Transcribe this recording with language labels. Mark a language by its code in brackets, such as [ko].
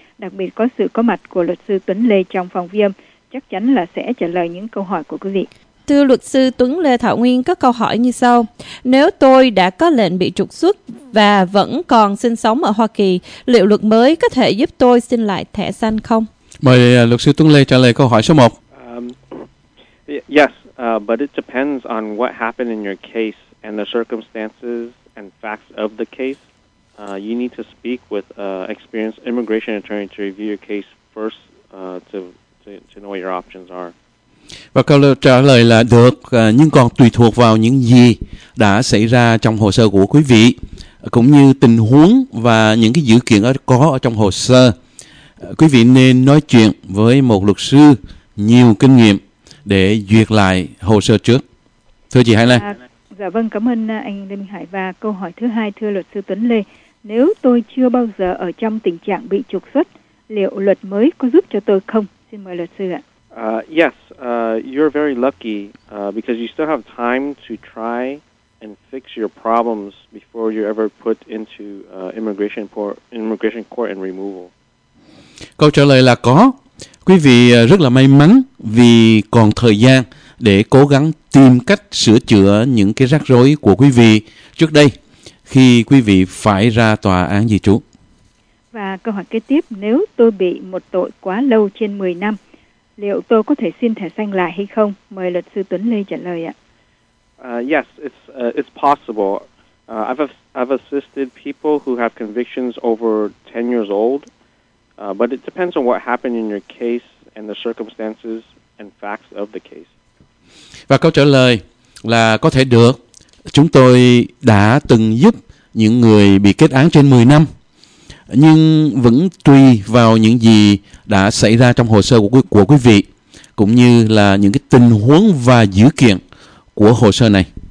[vi] Đặc biệt có sự có mặt của luật sư Tuấn Lê trong phòng viêm, chắc chắn là sẽ trả lời những câu hỏi của quý vị. Thưa luật sư Tuấn Lê, Thảo Nguyên có câu hỏi như sau. Nếu tôi đã có lệnh bị trục xuất và vẫn còn sinh sống ở Hoa Kỳ, liệu luật mới có thể giúp tôi xin lại thẻ xanh không? Mời luật sư Tuấn Lê trả lời câu hỏi số 1. [en] Yes, but it depends on what happened in your case and the circumstances and facts of the case. You need to speak with an experienced immigration attorney to review your case first to know what your options are. [vi] Và câu trả lời là được, nhưng còn tùy thuộc vào những gì đã xảy ra trong hồ sơ của quý vị, cũng như tình huống và những cái dữ kiện có ở trong hồ sơ. Quý vị nên nói chuyện với một luật sư nhiều kinh nghiệm để duyệt lại hồ sơ trước. Thưa chị Hải Lan. Dạ vâng, cảm ơn anh Lê Minh Hải. Và câu hỏi thứ hai, thưa luật sư Tuấn Lê, nếu tôi chưa bao giờ ở trong tình trạng bị trục xuất, liệu luật mới có giúp cho tôi không? Xin mời luật sư ạ. [en] Yes, you're very lucky because you still have time to try and fix your problems before you're ever put into immigration court and removal. [vi] Câu trả lời là có. Quý vị rất là may mắn vì còn thời gian để cố gắng tìm cách sửa chữa những cái rắc rối của quý vị trước đây khi quý vị phải ra tòa án di trú. Và câu hỏi kế tiếp, nếu tôi bị một tội quá lâu trên 10 năm, liệu tôi có thể xin thẻ xanh lại hay không? Mời luật sư Tuấn Lê trả lời ạ. [en] Yes, it's possible. I've assisted people who have convictions over 10 years old, but it depends on what happened in your case and the circumstances and facts of the case. [vi] Và câu trả lời là có thể được. Chúng tôi đã từng giúp những người bị kết án trên 10 năm, nhưng vẫn tùy vào những gì đã xảy ra trong hồ sơ của quý vị, cũng như là những cái tình huống và dữ kiện của hồ sơ này.